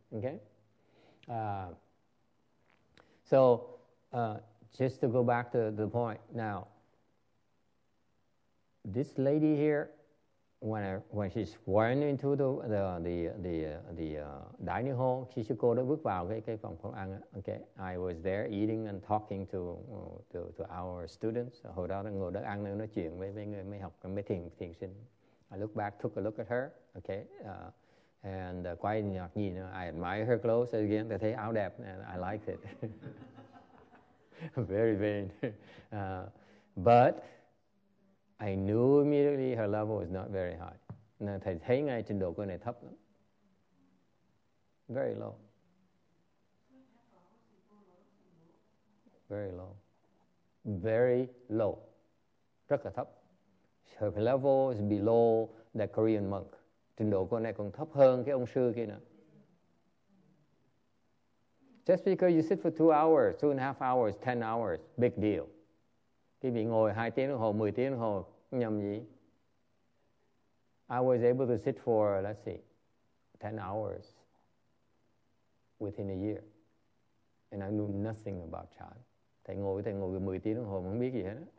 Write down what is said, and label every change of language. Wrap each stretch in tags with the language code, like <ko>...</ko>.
<en>Okay, just to go back to the point now, this lady here, when she's went into the dining hall,</en> <vi>khi sư cô đã bước vào cái phòng phòng ăn,</vi> <en>okay, I was there eating and talking to our students.</en> <vi>Hồi đó đang ngồi đó ăn nữa, nói chuyện với người mới học mới thiền sinh.</vi> <en>I looked back, took a look at her, okay, and</en> <vi>quay nhìn,</vi> <en>I admire her clothes again.</en> <vi>Tôi thấy áo đẹp,</vi> <en>and I liked it. Very vain, but I knew immediately her level was not very high.</en> <vi>Now, thầy thấy ngay trình độ cô này thấp lắm.</vi> <en>Very low. Very low. Very low.</en> <vi>Rất là thấp.</vi> <en>Her level is below the Korean monk.</en> <vi>Trình độ cô này còn thấp hơn cái ông sư kia nữa.</vi> <en>Just because you sit for 2 hours, 2.5 hours, 10 hours, big deal.</en> <vi>Cái vị ngồi 2 tiếng đồng hồ, 10 tiếng đồng hồ, nhầm gì?</vi> <en>I was able to sit for, let's see, 10 hours within a year. And I knew nothing about chan.</en> <vi>Thầy ngồi 10 tiếng đồng hồ mà không biết gì hết.</vi>